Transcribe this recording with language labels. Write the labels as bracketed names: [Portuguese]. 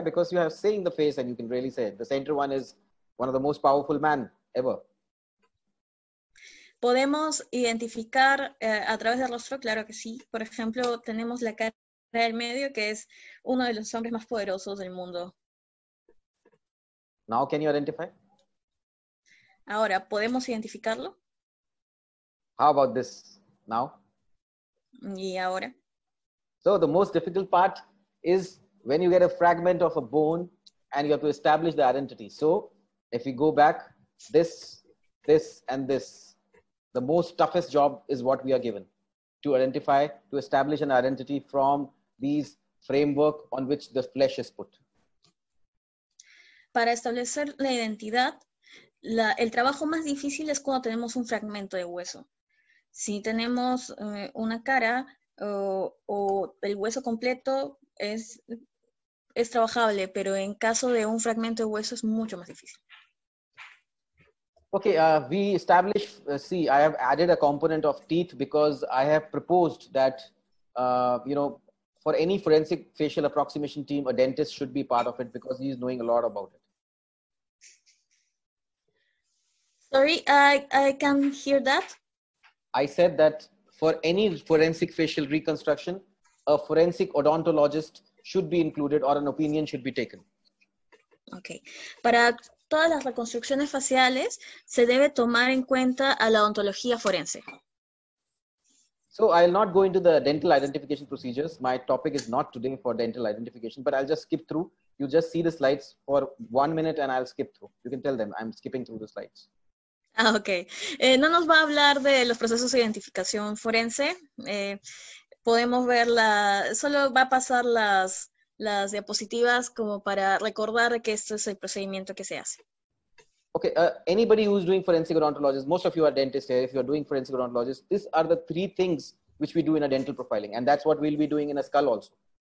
[English] Because you have seen the face and you can really say it. The center one is one of the most powerful man ever. [Spanish] Podemos identificar a través del rostro, claro que sí. Por ejemplo, tenemos la cara del medio, que es uno de los hombres más poderosos del mundo. [English] Now, can you identify? [Spanish] Ahora, ¿podemos identificarlo? [English] How about this now? [Spanish] ¿Y ahora? [English] So, the most difficult part is when you get a fragment of a bone and you have to establish the identity. So, if we go back, this, and this. The most toughest job is what we are given, to identify, to establish an identity from these framework on which the flesh is put. [Spanish] Para establecer la identidad, el trabajo más difícil es cuando tenemos un fragmento de hueso. Si tenemos una cara o el hueso completo, es trabajable, pero en caso de un fragmento de hueso es mucho más difícil. [English] Okay, we establish, see, I have added a component of teeth because I have proposed that, for any forensic facial approximation team, a dentist should be part of it because he is knowing a lot about it. Sorry, I can't hear that. I said that for any forensic facial reconstruction, a forensic odontologist should be included or an opinion should be taken. [Spanish] Okay, para todas las reconstrucciones faciales se debe tomar en cuenta a la odontología forense. [English] So I will not go into the dental identification procedures. My topic is not today for dental identification, but I'll just skip through. You just see the slides for 1 minute and I'll skip through. You can tell them I'm skipping through the slides. Ah, okay. [Spanish] No nos va a hablar de los procesos de identificación forense. Podemos ver solo va a pasar las diapositivas como para recordar que este es el procedimiento que se hace. [English] Okay, anybody who's doing forensic odontologist, most of you are dentists here, if you're doing forensic odontologist, these are the three things which we do in a dental profiling, and that's what we'll be doing in a skull also.